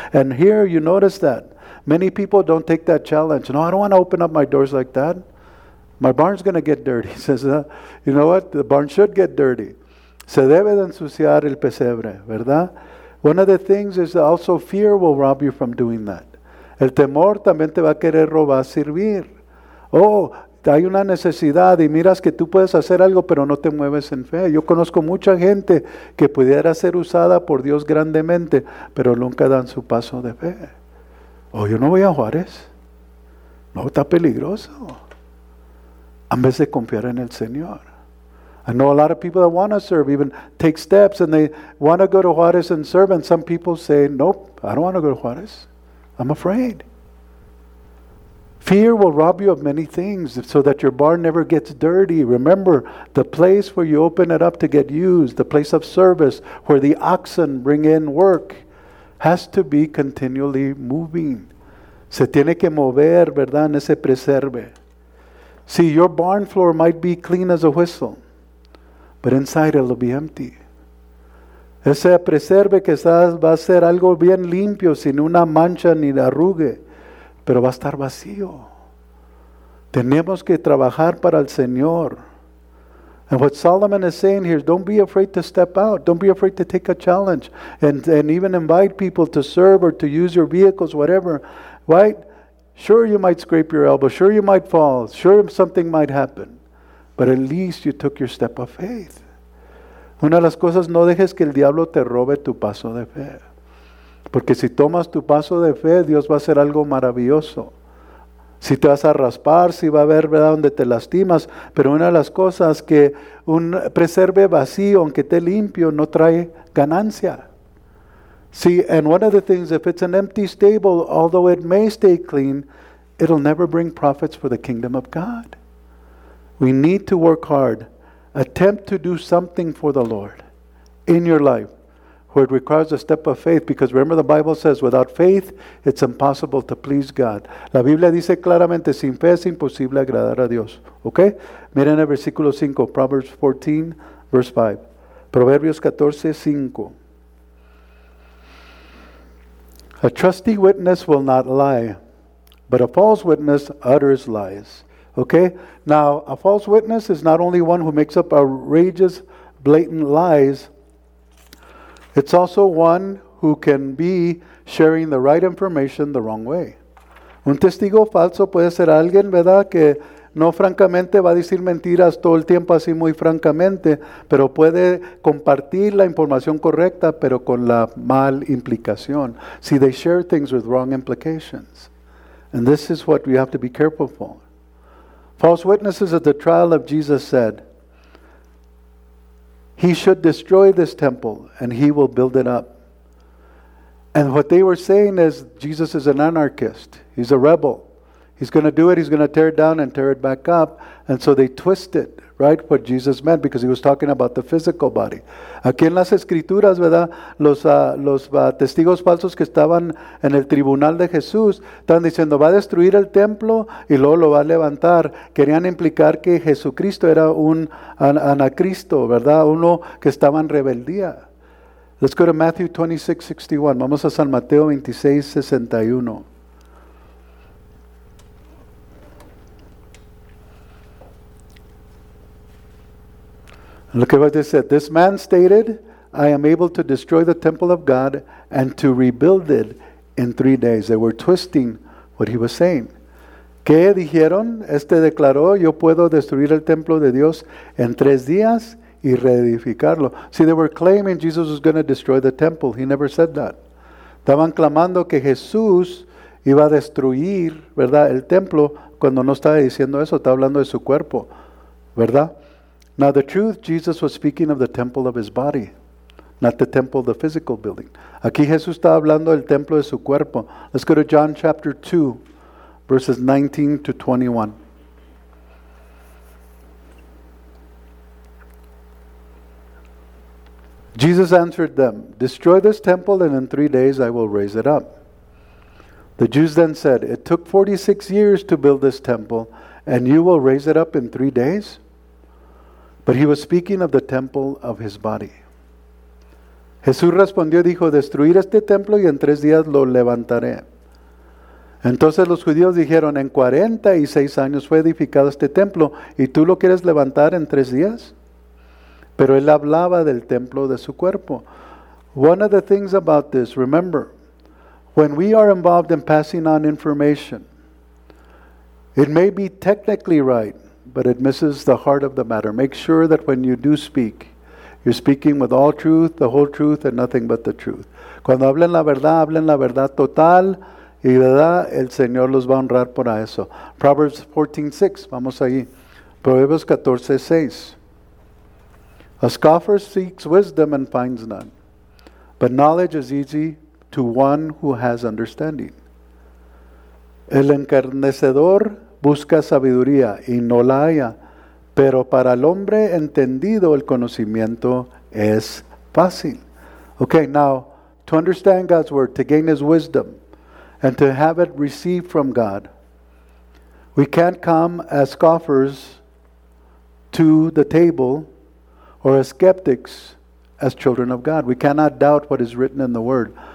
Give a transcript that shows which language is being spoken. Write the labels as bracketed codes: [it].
[en] And here you notice that. Many people don't take that challenge. No, I don't want to open up my doors like that. My barn's going to get dirty. He says, you know what? The barn should get dirty. [es] Se debe de ensuciar el pesebre, ¿verdad? [en] One of the things is also fear will rob you from doing that. [es] El temor también te va a querer robar servir. Oh, hay una necesidad y miras que tú puedes hacer algo, pero no te mueves en fe. Yo conozco mucha gente que pudiera ser usada por Dios grandemente, pero nunca dan su paso de fe. Oh, yo no voy a Juárez. No, está peligroso. En vez de confiar en el Señor. [en] I know a lot of people that want to serve, even take steps, and they want to go to Juarez and serve, and some people say, nope, I don't want to go to Juarez. I'm afraid. Fear will rob you of many things so that your barn never gets dirty. Remember, the place where you open it up to get used, the place of service where the oxen bring in work, has to be continually moving. [es] Se tiene que mover, ¿verdad? En ese preserve. [en] See, your barn floor might be clean as a whistle, but inside it'll be empty. [es] Ese preserve quizás va a ser algo bien limpio, sin una mancha ni arrugue, pero va a estar vacío. Tenemos que trabajar para el Señor. [en] And what Solomon is saying here is don't be afraid to step out. Don't be afraid to take a challenge and even invite people to serve or to use your vehicles, whatever. Right? Sure, you might scrape your elbow. Sure, you might fall. Sure, something might happen. But at least you took your step of faith. [es] Una de las cosas, no dejes que el diablo te robe tu paso de fe. Porque si tomas tu paso de fe, Dios va a hacer algo maravilloso. Si te vas a raspar, si va a haber, ¿verdad?, donde te lastimas. Pero una de las cosas que un preserve vacío, aunque esté limpio, no trae ganancia. [en] See, and one of the things, if it's an empty stable, although it may stay clean, it'll never bring profits for the kingdom of God. We need to work hard. Attempt to do something for the Lord in your life, where it requires a step of faith, because remember the Bible says, without faith, it's impossible to please God. [es] La Biblia dice claramente, sin fe es imposible agradar a Dios. Okay? Miren el versículo 5, [en] Proverbs 14, verse 5. [es] Proverbios 14, 5. [en] A trusty witness will not lie, but a false witness utters lies. Okay? Now, a false witness is not only one who makes up outrageous, blatant lies, it's also one who can be sharing the right information the wrong way. [es] Un testigo falso puede ser alguien, ¿verdad?, que no francamente va a decir mentiras todo el tiempo así muy francamente, pero puede compartir la información correcta, pero con la mal implicación. [en] See, they share things with wrong implications. And this is what we have to be careful for. False witnesses at the trial of Jesus said, he should destroy this temple and he will build it up. And what they were saying is, Jesus is an anarchist. He's a rebel. He's going to do it. He's going to tear it down and tear it back up. And so they twisted, right, what Jesus meant, because he was talking about the physical body. [es] Aquí en las escrituras, ¿verdad?, los testigos falsos que estaban en el tribunal de Jesús están diciendo, va a destruir el templo y luego lo va a levantar. Querían implicar que Jesucristo era un anacristo, ¿verdad?, uno que estaba en rebeldía. [en] Let's go to Matthew 26:61. [es] Vamos a San Mateo 26:61. [en] Look at what they said. This man stated, I am able to destroy the temple of God and to rebuild it in 3 days. They were twisting what he was saying. [es] ¿Qué dijeron? Este declaró, yo puedo destruir el templo de Dios en 3 días y reedificarlo. [en] See, they were claiming Jesus was going to destroy the temple. He never said that. [es] Estaban clamando que Jesús iba a destruir, ¿verdad?, el templo, cuando no estaba diciendo eso. Estaba hablando de su cuerpo, ¿verdad? [en] Now the truth, Jesus was speaking of the temple of his body, not the temple of the physical building. [es] Aquí Jesús está hablando del templo de su cuerpo. [en] Let's go to John chapter 2, verses 19 to 21. Jesus answered them, destroy this temple and in 3 days I will raise it up. The Jews then said, it took 46 years to build this temple and you will raise it up in 3 days? But he was speaking of the temple of his body. [es] Jesús respondió y dijo, destruir este templo y en 3 días lo levantaré. Entonces los judíos dijeron, en 46 años fue edificado este templo y tú lo quieres levantar en 3 días. Pero él hablaba del templo de su cuerpo. [en] One of the things about this, remember, when we are involved in passing on information, it may be technically right, but it misses the heart of the matter. Make sure that when you do speak, you're speaking with all truth, the whole truth, and nothing but the truth. [es] Cuando hablen la verdad total, y verdad, el Señor los va a honrar por eso. [en] Proverbs 14:6, [es] vamos ahí. Proverbios 14:6. [en] A scoffer seeks wisdom and finds none, but knowledge is easy to one who has understanding. [es] El encarnecedor busca sabiduría y no la haya, pero para el hombre entendido el conocimiento es fácil. [en] Okay, now, to understand God's word, to gain his wisdom, and to have it received from God, we can't come as scoffers to the table or as skeptics as children of God. We cannot doubt what is written in the word.